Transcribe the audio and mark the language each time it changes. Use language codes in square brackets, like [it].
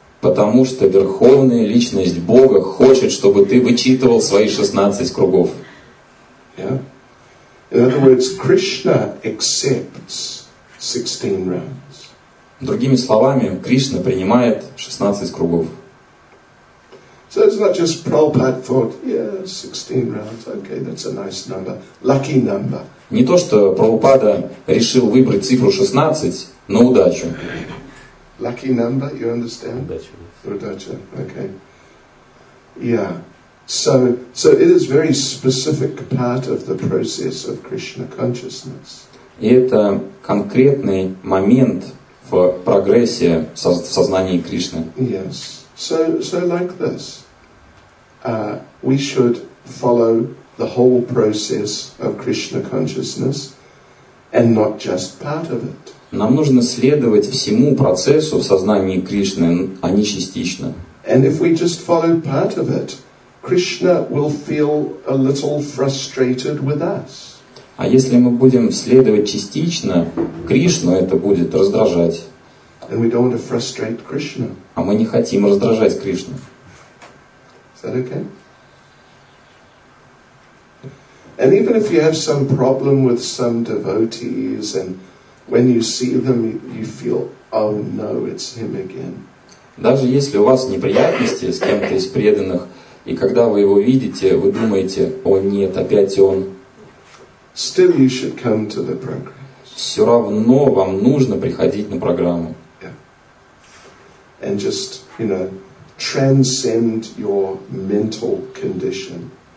[ru] Потому что Верховная Личность Бога хочет, чтобы ты вычитывал свои 16 кругов. [en] Yeah. In other words, Krishna accepts 16 rounds. [ru] Другими словами, Кришна принимает 16 кругов. [en] So it's not just Prabhupada thought, yeah, 16 rounds, okay, that's a nice number, lucky number. [ru] Не то, что Прабхупада решил выбрать цифру 16 на удачу. [en] Lucky number, you understand? [ru] Udacha. [en] Udacha, okay. Yeah. So it is a very specific part of the process of Krishna consciousness. [ru] И это конкретный момент в прогрессии в сознании Кришны. [en] Yes. So like this. We should follow the whole process of Krishna consciousness and not just part of it. [ru] Нам нужно следовать всему процессу в сознании Кришны, а не частично. [en] And if we just follow part of it, Krishna will feel a little frustrated with us. [ru] А если мы будем следовать частично, Кришну это будет раздражать. [en] And we don't want to frustrate Krishna. [ru] А мы не хотим раздражать Кришну. [en] Is that okay? And even if you have some problem with some devotees, and when you see them, you feel, oh no, it's him again. [ru] Даже если у вас неприятности с кем-то из преданных, и когда вы его видите, вы думаете, о нет, опять он. [en] Still you should come to the program. [ru] Все равно вам нужно приходить на программу. [en] Yeah. And just, you know, transcend your mental condition.